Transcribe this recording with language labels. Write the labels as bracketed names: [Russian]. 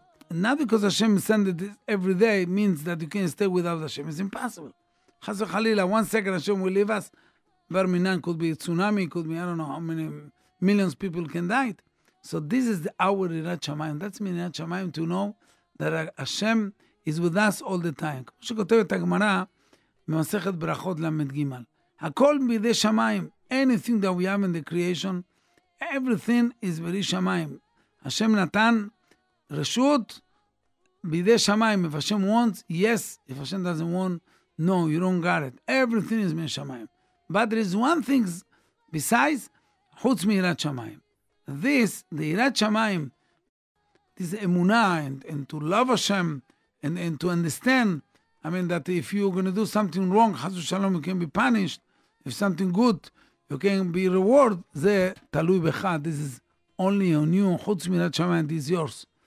[English] And not because Hashem sent it every day means that you can't stay without Hashem. It's impossible. Chas v'chalila, 1 second Hashem will leave us. Bar minan could be a tsunami, could be, I don't know how many millions of people can die. So this is our Yirat Shamayim. That's me, Yirat Shamayim, to know that Hashem is with us all the time. [Hebrew] כמו שכותבת הגמרא, במסכת ברכות למד גימל. הכל בידי שמיים. [English] Anything that we have in the creation, everything is [Hebrew] בידי שמיים. Hashem נתן רשות בידי שמיים. [English] If Hashem wants, yes. If Hashem doesn't want, no, you don't got it. Everything is [Hebrew] בידי שמיים. [English] But there is one thing besides, [Hebrew] חוץ מיראת שמיים. [English] This, the Yirat Shamayim, this emunah and to love Hashem and to understand, I mean, that if you're going to do something wrong, Chas v'Shalom, you can be punished. If something good, you can be rewarded. [Hebrew] Ze talui becha. [English] This is only on you. [Hebrew] Chutz mirat Shamayim, [English] this is yours.